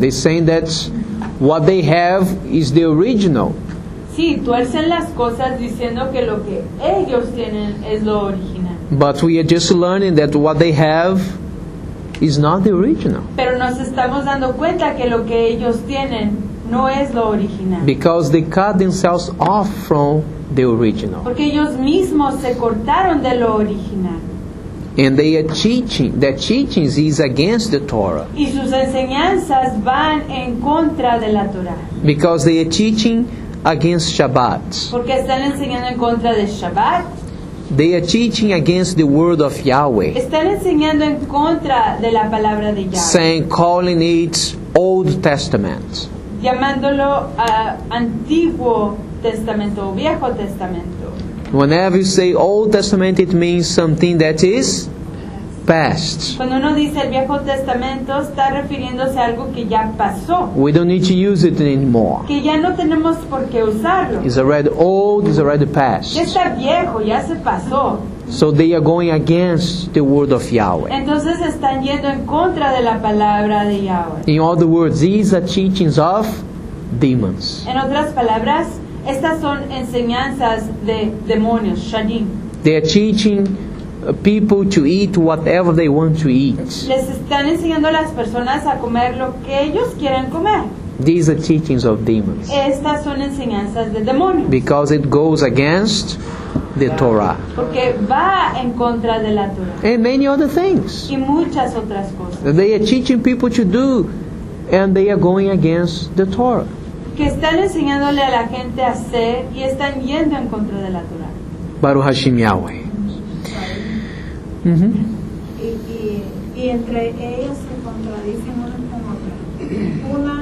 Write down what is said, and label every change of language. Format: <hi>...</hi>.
<en>They're saying that what they have is the original.</en> <es>Sí, tuercen las cosas diciendo que lo que ellos tienen es lo original.</es> <en>But we are just learning that what they have is not the original.</en> <es>Pero nos estamos dando cuenta que lo que ellos tienen no es lo original.</es> <en>Because they cut themselves off from the original.</en> <es>Porque ellos mismos se cortaron de lo original.</es> <en>And they are teaching, their teachings is against the Torah.</en> <es>Y sus enseñanzas van en contra de la Torah.</es> <en>Because they are teaching against Shabbat.</en> <es>Porque están enseñando en contra de Shabbat.</es> <en>They are teaching against the word of Yahweh.</en> <es>Están enseñando en contra de la palabra de Yahweh.</es> <en>Saying, calling it Old Testament.</en> <es>Llamándolo Antiguo Testamento o Viejo Testamento.</es> <en>Whenever you say Old Testament, it means something that is past.</en> <es>Cuando uno dice el Viejo Testamento, está refiriéndose a algo que ya pasó.</es> <en>We don't need to use it anymore.</en> <es>Que ya no tenemos por qué usarlo.</es> <en>It's already old, it's already past.</en> <es>Ya está viejo, ya se pasó.</es> <en>So they are going against the word of Yahweh.</en> <es>Entonces están yendo en contra de la palabra de Yahweh.</es> <en>In other words, these are teachings of demons.</en> <es>En otras palabras, estas son enseñanzas de demonios, Shadim.</es> <en>They are teaching people to eat whatever they want to eat.</en> <es>Les están enseñando a las personas a comer lo que ellos quieren comer.</es> <en>These are teachings of demons.</en> <es>Estas son enseñanzas de demonios.</es> <en>Because it goes against the Torah.</en> <es>Porque va en contra de la Torah.</es> <en>And many other things.</en> <es>Y muchas otras cosas.</es> <en>They are teaching people to do, and they are going against the Torah.</en> <es>Que están enseñándole a la gente a hacer y están yendo en contra de la Torah.</es> <he>Baruch Hashem Yahweh. Mm-hmm.</he> <es>Y entre ellos se contradicen una con otra.</es>